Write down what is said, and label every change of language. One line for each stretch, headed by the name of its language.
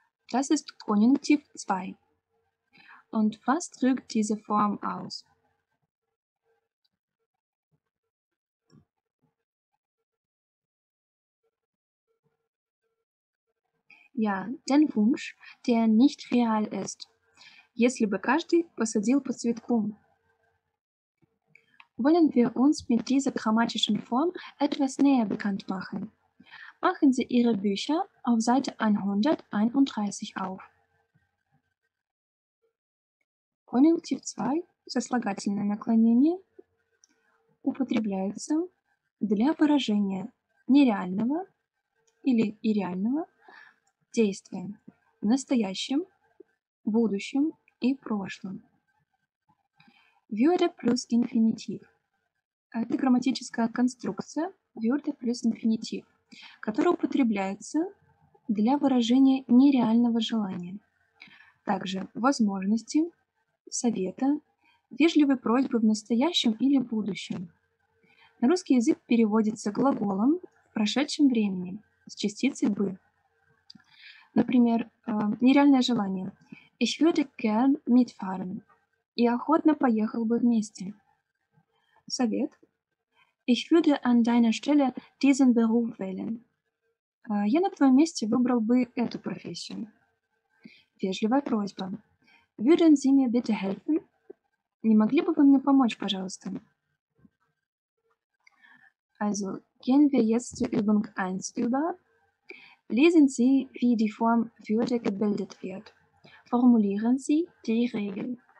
German: Das ist Konjunktiv 2. Und was drückt diese Form aus? Ja, den Wunsch, der nicht real ist.
Russian: Если бы каждый посадил по цветку.
German: Wollen wir uns mit dieser grammatischen Form etwas näher bekannt machen? Machen Sie Ihre Bücher auf Seite 131 auf.
Russian: Konjunktiv 2, сослагательное наклонение, употребляется для выражения нереального или ирреального действия в настоящем, будущем и прошлом.
German: Würde plus Infinitiv.
Russian: Это грамматическая конструкция
German: würde plus Infinitiv,
Russian: которая употребляется для выражения нереального желания. Также возможности, совета, вежливой просьбы в настоящем или будущем. На русский язык переводится глаголом в прошедшем времени с частицей «бы». Например, нереальное желание.
German: Ich würde gern mitfahren.
Russian: И охотно поехал бы вместе. Совет.
German: Ich würde an deiner Stelle diesen Beruf wählen.
Russian: Я на твоем месте выбрал бы эту профессию. Вежливая просьба.
German: Würden Sie mir bitte helfen?
Russian: Не могли бы вы мне помочь, пожалуйста?
German: Also, gehen wir jetzt zur Übung 1 über. Lesen Sie, wie die Form würde gebildet wird. Formulieren Sie die Regel.